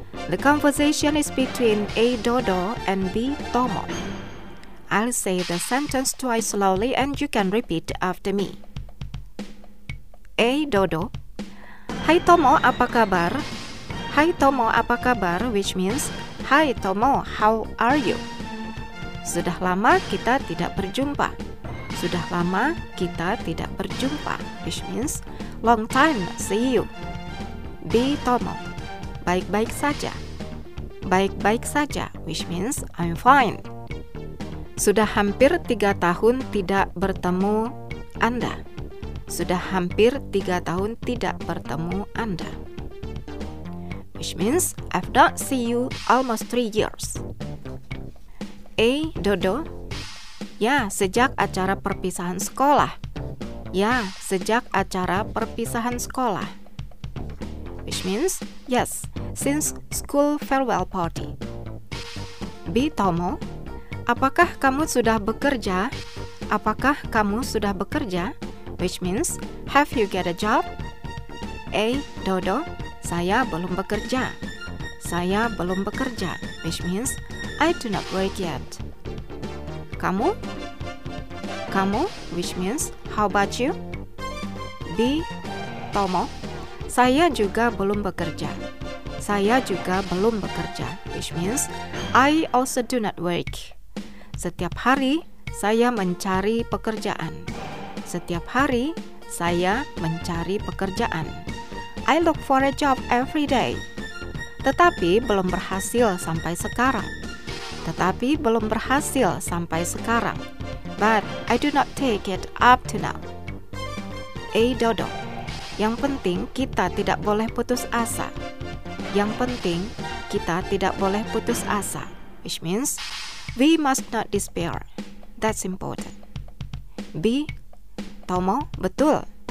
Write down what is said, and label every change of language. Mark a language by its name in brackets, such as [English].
[English] The conversation is between A. Dodo and B. Tomo. I'll say the sentence twice slowly and you can repeat after me. A. [Indonesian] Dodo: Hai Tomo, apa kabar? Hai Tomo, apa kabar? [English] Which means, Hai Tomo, how are you? [Indonesian] Sudah lama kita tidak berjumpa. Sudah lama kita tidak berjumpa, [English] which means long time see you. B. [Indonesian] Tomo: Baik-baik saja. Baik-baik saja, [English] which means I'm fine. Sudah hampir 3 tahun tidak bertemu Anda. [Indonesian] Sudah hampir 3 tahun tidak bertemu Anda, [English] which means I've not see you almost 3 years. A. [Indonesian] Dodo: Ya, sejak acara perpisahan sekolah. Ya, sejak acara perpisahan sekolah. [English] Which means, yes, since school farewell party. B. [Indonesian] Tomo: Apakah kamu sudah bekerja? Apakah kamu sudah bekerja? [English] Which means, have you get a job? A. [Indonesian] Dodo: Saya belum bekerja. Saya belum bekerja. [English] Which means, I do not work yet. Kamu? Kamu, which means, how about you? B. [Indonesian] Tomo: Saya juga belum bekerja. Saya juga belum bekerja, [English] which means, I also do not work. [Indonesian] Setiap hari, saya mencari pekerjaan. Setiap hari, saya mencari pekerjaan. [English] I look for a job every day. [Indonesian] Tetapi belum berhasil sampai sekarang. Tetapi belum berhasil sampai sekarang. [English] But I do not take it up to now. [Indonesian] A. Dodo: Yang penting kita tidak boleh putus asa. Yang penting kita tidak boleh putus asa, [English] which means we must not despair. That's important. B. Tomo: Betul.